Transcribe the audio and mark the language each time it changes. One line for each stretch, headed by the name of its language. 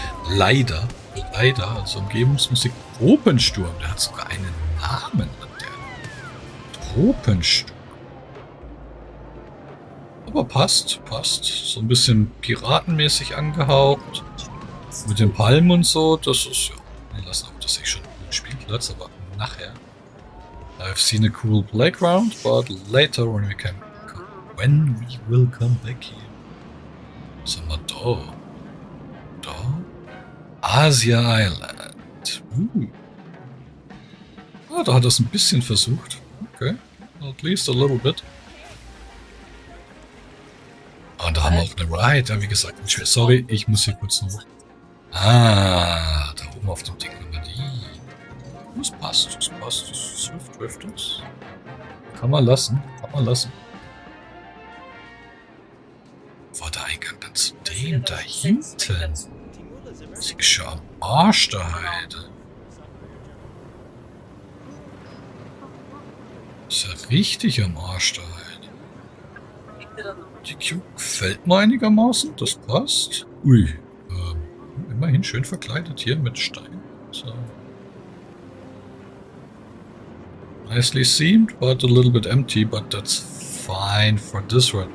German: Leider, also Umgebungsmusik. Tropensturm, der hat sogar einen Namen. Tropensturm. Aber passt. So ein bisschen piratenmäßig angehaucht. Mit den Palmen und so, das ist ja. Wir lassen auch, dass ich schon im Spielplatz, aber nachher.
English: I've seen a cool playground, but later when we can. When we will come back here.
German: Was haben wir da? Da?
English: Asia Island.
German: Ah, da hat er es ein bisschen versucht. Okay.
English: At least a little bit.
German: Und da haben wir auch eine Ride. Ja, wie gesagt, sorry, ich muss hier kurz noch. Ah, da oben auf dem Ding haben wir die. Das passt. Swift Drifters. Kann man lassen. Der Eingang dann zu dem da hinten. Sie ist schon am Arsch der Heide. Ist ja richtig am Arsch der Heide. Die Q gefällt mir einigermaßen, das passt. Ui, immerhin schön verkleidet hier mit Stein. So.
English: nicely seamed, but a little bit empty, but that's fine for this run.